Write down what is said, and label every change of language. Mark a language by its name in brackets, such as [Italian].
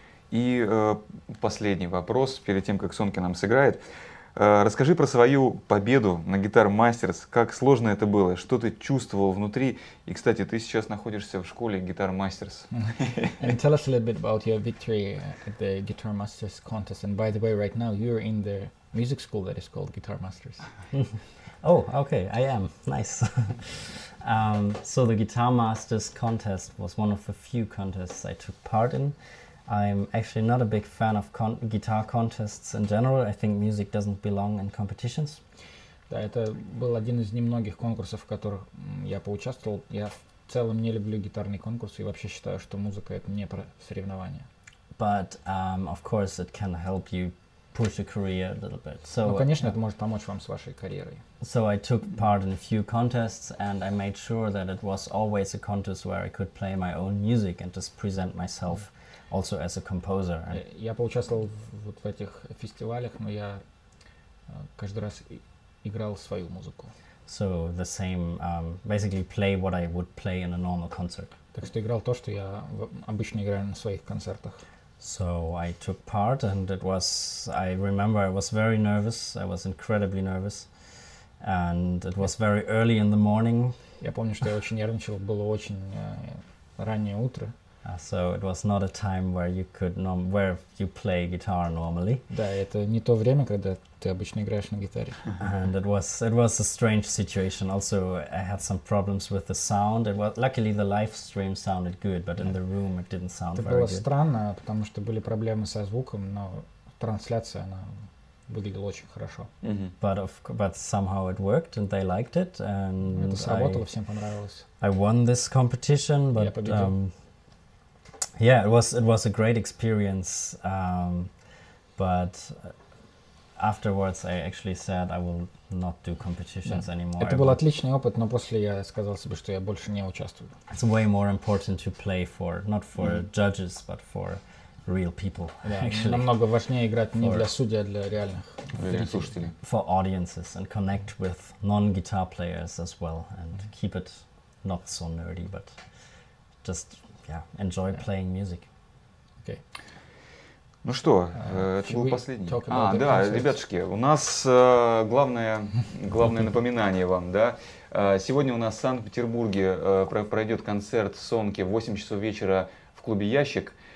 [Russian] И последний вопрос, перед тем, как Сонке нам сыграет. Расскажи про свою победу на Guitar Masters. Как сложно это было? Что ты чувствовал внутри? И, кстати, ты сейчас находишься в школе Guitar Masters. [English] And tell us a little bit about your victory at the Guitar Masters contest. And by the way, right now you're in the music school that is called Guitar Masters. Oh, okay, I am. Nice. So the Guitar Masters contest was one of the few contests I took part in. I'm actually not a big fan of guitar contests in general. I think music doesn't belong in competitions. [Russian] Да, это был один из немногих конкурсов, в которых я поучаствовал. Я в целом не люблю гитарные конкурсы и вообще считаю, что музыка — это не про соревнования. [English] But of course it can help you push your career a little bit. [Russian] So, ну, конечно, это может помочь вам с вашей карьерой. [English] So I took part in a few contests and I made sure that it was always a contest where I could play my own music and just present myself also as a composer. [Russian] Я поучаствовал вот в этих фестивалях, но я каждый раз играл свою музыку. [English] So the same, basically play what I would play in a normal concert. [Russian] Так что играл то, что я обычно играю на своих концертах. [English] So I took part and it was, I remember I was very nervous, I was incredibly nervous. And it was very early in the morning. [Russian] Я помню, что я очень нервничал, было очень раннее утро. [English] So it was not a time where you could where you play guitar normally. [Russian] Да, это не то время, когда ты обычно играешь на гитаре. [English] And it was a strange situation. Also, I had some problems with the sound. It was luckily the live stream sounded good, but in the room it didn't sound very good. [Russian] Это было странно, потому что были проблемы со звуком, но трансляция она выглядела очень хорошо. [English] But somehow it worked and they liked it and [Russian] это сработало, всем понравилось. [English] I won this competition, but yeah, it was a great experience, but afterwards I actually said I will not do competitions anymore. [Russian] Это был отличный опыт, но после я сказал себе, что я больше не участвую. [English] It's way more important to play for, not for judges, but for real people. Actually. [Russian] Намного важнее играть не для судей, а для реальных слушателей. [English] For audiences and connect with non-guitar players as well and keep it not so nerdy, but just... Yeah, enjoy playing music. Okay. [Russian] Ну что, это был последний. А, да, ребятушки, у нас главное напоминание вам, да. Сегодня у нас в Санкт-Петербурге пройдет концерт Сонке в 8 часов вечера в клубе «Ящик».